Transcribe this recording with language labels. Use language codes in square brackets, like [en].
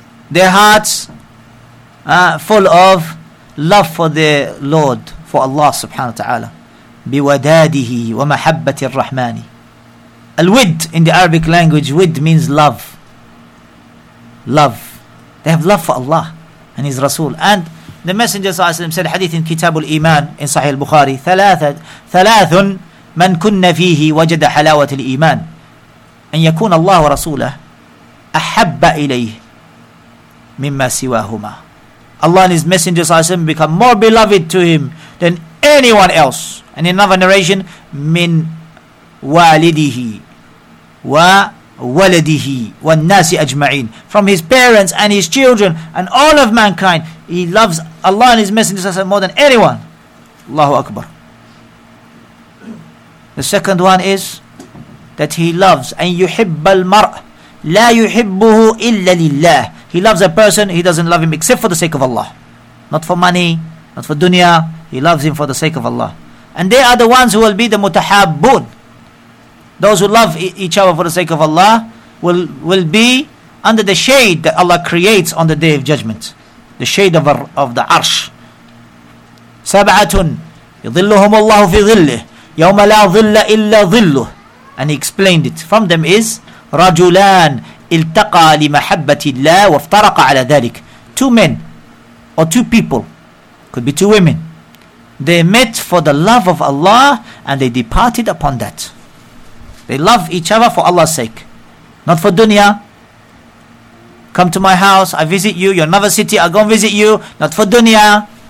[en] Their hearts full of love for their Lord, for Allah subhanahu wa ta'ala. [ar] بِوَدَادِهِ وَمَحَبَّةِ الرَّحْمَانِ. [en] Al-wid in the Arabic language, wid means love. Love. They have love for Allah. and his Rasul. And the Messenger said hadith in Kitab al-Iman in Sahih al-Bukhari, [ar] ثَلَاثٌ مَنْ كُنَّ فِيهِ وَجَدَ حَلَاوَةِ الْإِيمَانِ أن يكون الله ورسوله أحب إليه مما سواهما. [en] Allah and His Messenger become more beloved to Him than anyone else. And in another narration, [ar] مِنْ وَالِدِهِ وَوَلَدِهِ وَالنَّاسِ أَجْمَعِينَ [en] From His parents and His children and all of mankind, He loves Allah and His Messenger more than anyone. Allahu Akbar. The second one is that He loves [ar] أن يحب المرء لا يحبه إلا لله. [en] He loves a person, He doesn't love him except for the sake of Allah. Not for money, not for dunya. He loves him for the sake of Allah. And they are the ones who will be the mutahabun. Those who love each other for the sake of Allah will be under the shade that Allah creates on the Day of Judgment. The shade of the arsh. [ar] سَبْعَةٌ يَظِلُّهُمُ اللَّهُ فِي ظِلِّهِ يَوْمَ لَا ظِلَّ إِلَّا ظِلُّهُ [en] And he explained it. From them is [ar] رجلان التقى لمحبة الله وافترق على ذلك. [en] Two men or two people, could be two women, they met for the love of Allah and they departed upon that. They love each other for Allah's sake, not for dunya. Come to my house, I visit you, you're another city, I go and visit you, not for dunya.